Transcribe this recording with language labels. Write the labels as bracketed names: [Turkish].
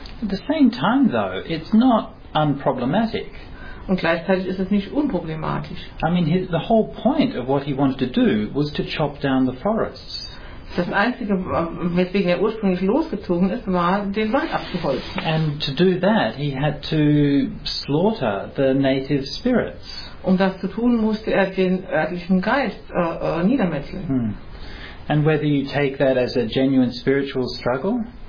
[English] At the same time though, it's not unproblematic. [German] Und gleichzeitig ist es nicht unproblematisch. [English] I mean, the whole point of what he wanted to do was to chop down the forests. [German] Das Einzige, weswegen er ursprünglich losgezogen ist, war, den Wald abzuholzen. [English] And to do that, he had to slaughter the native spirits. [German] Um das zu tun, musste er den örtlichen Geist niedermetzeln. Hmm. [English] And whether you take that as a genuine spiritual struggle?